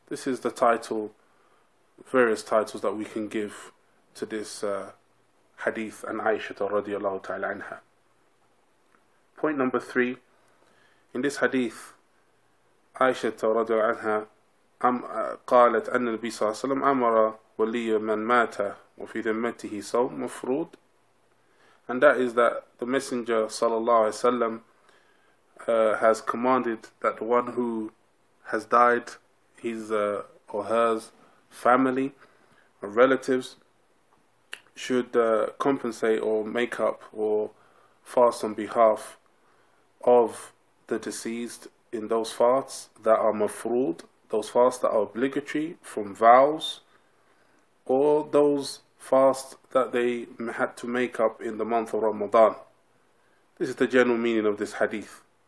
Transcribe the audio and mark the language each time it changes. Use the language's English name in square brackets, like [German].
[English] This is the title, various titles that we can give to this hadith and Aisha radiallahu ta'ala anha. Point number three, in this hadith, Aisha radiallahu anha [Arabic] قالت أن النبي صلى الله عليه وسلم أمر ولي من مات وفي ذمته صوم مفروض. [English] And that is that the Messenger sallallahu alaihi wasallam has commanded that the one who has died, his or hers family or relatives, should compensate or make up or fast on behalf of the deceased in those fasts that are mafruud, those fasts that are obligatory from vows, or those fast that they had to make up in the month of Ramadan. This is the general meaning of this hadith.